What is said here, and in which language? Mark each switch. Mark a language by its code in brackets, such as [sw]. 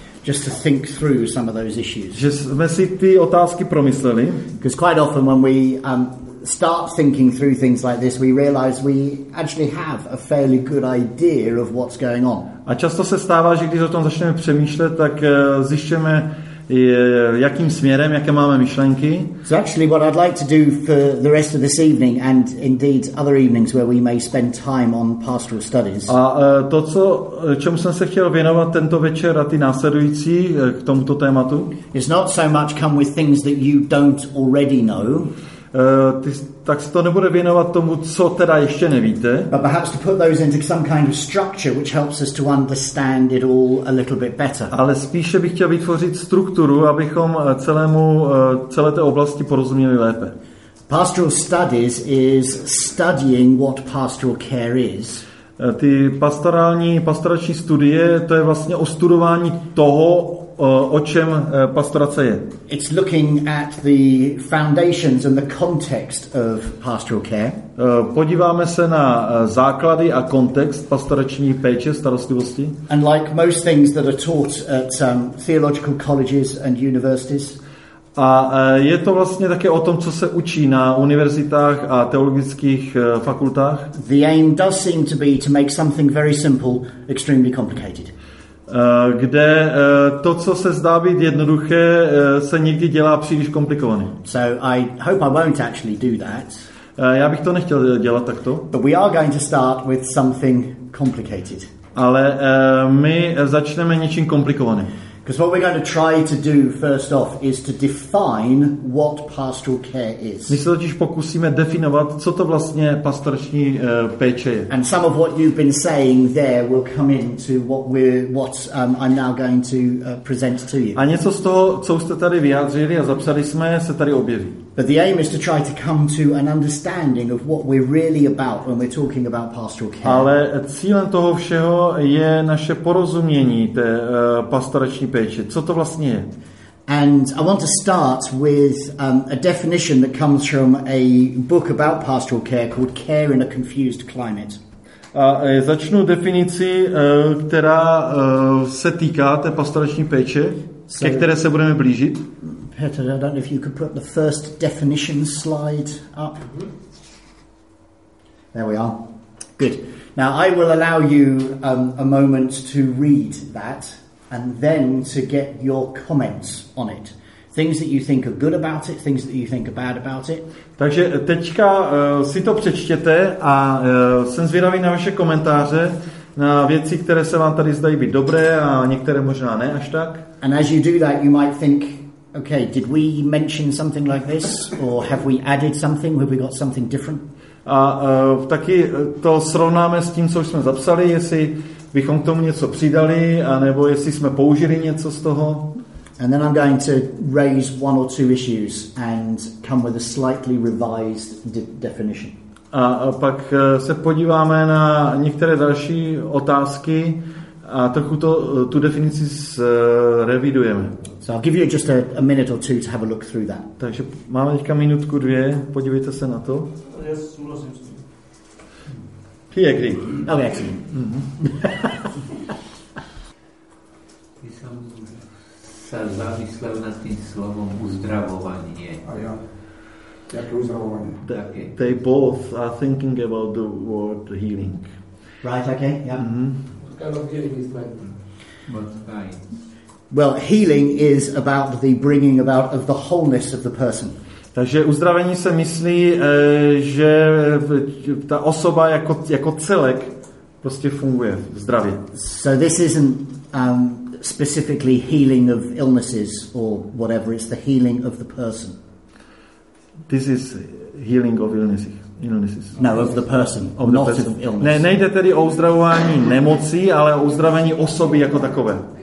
[en] Just to think through some of those issues. [cs] Že jsme si ty otázky promysleli. [en] Because quite often when we start thinking through things like this, we realize we actually have a fairly good idea of what's going on. [cs] A často se stává, že když o tom začneme přemýšlet, tak zjišťujeme, jakým směrem, jaké máme myšlenky. [en] So actually what I'd like to do for the rest of this evening and indeed other evenings where we may spend time on pastoral studies. [cs] A to, čemu jsem se chtěl věnovat tento večer a ty následující k tomuto tématu. [en] It's not so much come with things that you don't already know. [cs] Tak se to nebude věnovat tomu, co teda ještě nevíte. [en] But perhaps to put those into some kind of structure which helps us to understand it all a little bit better. [cs] Ale spíše bych chtěl vytvořit strukturu, abychom celé té oblasti porozuměli lépe. [en] Pastoral studies is studying what pastoral care is. [cs] Ty pastorační studie, to je vlastně o studování toho, o čem pastorace je. [en] It's looking at the foundations and the context of pastoral care. [cs] Podíváme se na základy a kontext pastorační péče, starostlivosti. [en] And like most things that are taught at theological colleges and universities. [cs] A je to vlastně také o tom, co se učí na univerzitách a teologických fakultách. [en] The aim does seem to be to make something very simple extremely complicated. [cs] Kde to, co se zdá být jednoduché, se někdy dělá příliš komplikovaný. [en] So I hope I won't actually do that. [cs] Já bych to nechtěl dělat takto. [en] But we are going to start with something complicated. [cs] Ale my začneme něčím komplikovaným. [en] Because what we're going to try to do first off is to define what pastoral care is. [cs] My se totiž pokusíme definovat, co to vlastně pastorační péče je. [en] And some of what you've been saying there will come into what I'm now going to present to you. [cs] A něco z toho, co jste tady vyjádřili a zapsali jsme, se tady objeví. [en] But the aim is to try to come to an understanding of what we're really about when we're talking about pastoral care. [cs] Ale cílem toho všeho je naše porozumění té pastorační péče. Co to vlastně je? [en] And I want to start with a definition that comes from a book about pastoral care called Care in a Confused Climate. [cs] A začnu definici, která se týká té pastorační péče, so, ke které se budeme blížit. [en] Petr, I don't know if you could put the first definition slide up. There we are. Good. Now I will allow you a moment to read that. And then to get your comments on it. Things that you think are good about it, things that you think are bad about it. [cs] Takže teďka si to přečtěte a jsem zvědavý na vaše komentáře, na věci, které se vám tady zdají být dobré a některé možná ne až tak. [en] And as you do that, you might think, okay, did we mention something like this? Or have we added something? Have we got something different? [cs] A taky to srovnáme s tím, co jsme zapsali, jestli bychom k tomu něco přidali, anebo jestli jsme použili něco z toho. [en] And then I'm going to raise one or two issues and come with a slightly revised definition. [cs] A pak se podíváme na některé další otázky a trochu to, tu definici zrevidujeme. [en] So I'll give you just a minute or two to have a look through that. [cs] Takže máme teďka minutku, dvě, podívejte se na to. [en] Yes, he agreed. Oh, yes. Mm-hmm. [sk] Sa závislel na tým slovom uzdravovanie. Jaké uzdravovanie? [en] They both are thinking about the word healing. Right, okay, yeah. Mm-hmm. What kind of healing is that? What kind? Well, healing is about the bringing about of the wholeness of the person. [cs] Takže uzdravení se myslí, že ta osoba jako, jako celek prostě funguje v zdravě. [en] So this isn't specifically healing of illnesses or whatever, it's the healing of the person. This is healing of illnesses. No, of the person, of not the person. Of illness. [cs] Ne, nejde tedy o uzdravování nemocí, ale o uzdravení osoby jako takové.